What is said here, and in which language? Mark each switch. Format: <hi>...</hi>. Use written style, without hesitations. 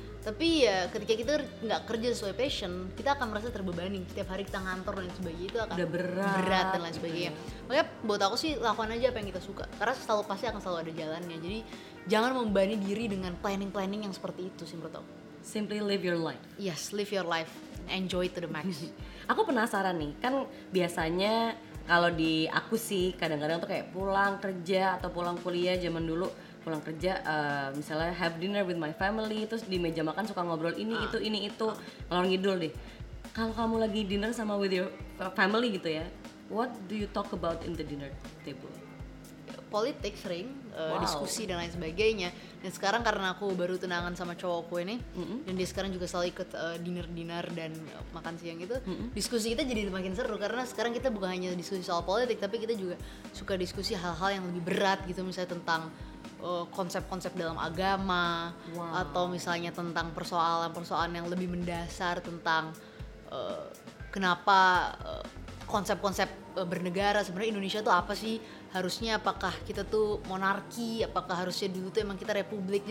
<id>Tapi ya ketika kita nggak kerja sesuai passion, kita akan merasa terbebani. Setiap hari kita ngantor dan lain sebagainya, itu akan udah berat dan lain sebagainya. Makanya buat aku sih, lakukan aja apa yang kita suka, karena selalu pasti akan selalu ada jalannya. Jadi jangan membebani diri dengan planning yang seperti itu sih menurut aku.</id> <en>Simply live your life. Yes, live your life, enjoy it to the max.</en> <id>Aku penasaran nih, kan biasanya kalau di aku sih kadang-kadang tuh kayak pulang kerja atau pulang kuliah zaman dulu. Pulang kerja, misalnya</id> <en>have dinner with my family,</en> <id>terus di meja makan suka ngobrol ini itu, ngelor ngidul deh. Kalau kamu lagi dinner sama</id> <en>with your family gitu ya, what do you talk about in the dinner table?</en> <id>Politik sering, diskusi dan lain sebagainya. Dan sekarang karena aku baru tunangan sama cowokku ini, dan dia sekarang juga selalu ikut dinner dan makan siang itu, diskusi kita jadi makin seru. Karena sekarang kita bukan hanya diskusi soal politik, tapi kita juga suka diskusi hal-hal yang lebih berat gitu, misalnya tentang konsep-konsep dalam agama, atau misalnya tentang persoalan-persoalan yang lebih mendasar tentang kenapa konsep-konsep bernegara sebenarnya Indonesia tuh apa sih, harusnya apakah kita tuh monarki, apakah harusnya dulu tuh emang kita republik.</id>